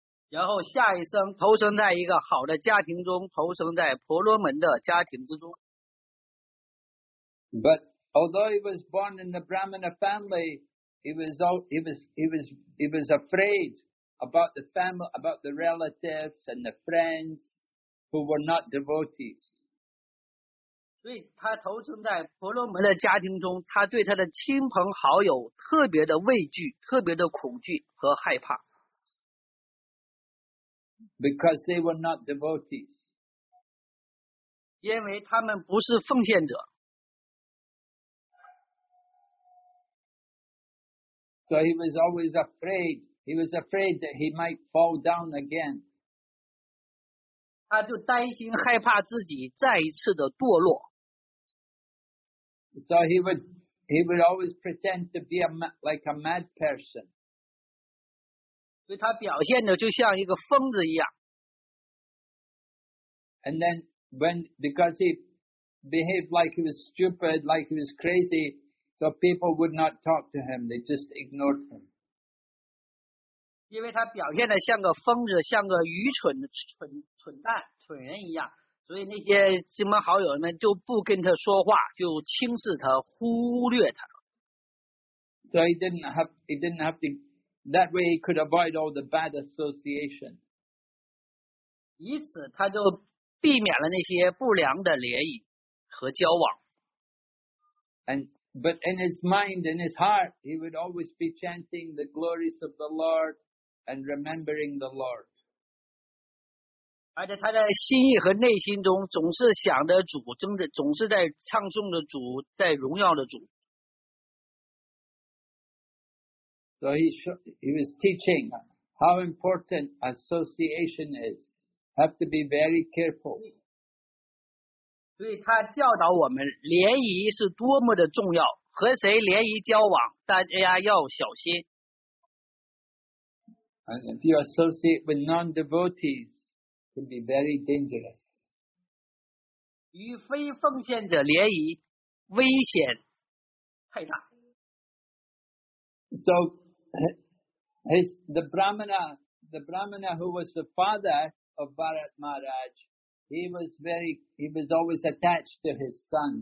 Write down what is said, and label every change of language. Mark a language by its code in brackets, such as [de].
[zh] 然后下一生投生在一个好的家庭中，投生在婆罗门的家庭之中。 [en] But although he was born in the Brahmana family, he was afraid about the family, about the relatives and the friends who were not devotees. [zh] 所以他投生在婆罗门的家庭中，他对他的亲朋好友特别的畏惧，特别的恐惧和害怕。 [en] Because they were not devotees. [zh] 因为他们不是奉献者。 [en] So he was always afraid. He was afraid that he might fall down again. [zh] 他就担心害怕自己再一次的堕落。 [en] So he would always pretend to be like a mad person. [zh] 所以他表现的就像一个疯子一样。 [en] And then because he behaved like he was stupid, like he was crazy,So people would not talk to him, they just ignored him. [zh] 因为他表现得像个疯子，像个愚蠢的 蠢蛋蠢人一样，所以那些亲朋好友们就不跟他说话，就轻视他，忽略他。 [en] So he didn't have to, that way he could avoid all the bad association. [zh] 以此他就避免了那些不良的联谊和交往。 [en] But in his mind, in his heart, he would always be chanting the glories of the Lord and remembering the Lord. [zh] 而且他的心意和内心中总是想着主，总是在唱颂着主，在荣耀着主。 [en] So he was teaching how important association is. Have to be very careful. [zh] 所以他教导我们联谊是多么的重要，和谁联谊交往大家要小心。 [en] And if you associate with non-devotees, it can be very dangerous. [zh] 与非奉献者联谊危险太大。 [en] So, the Brahmana who was the father of Bharat Maharaj,He was always attached to his son.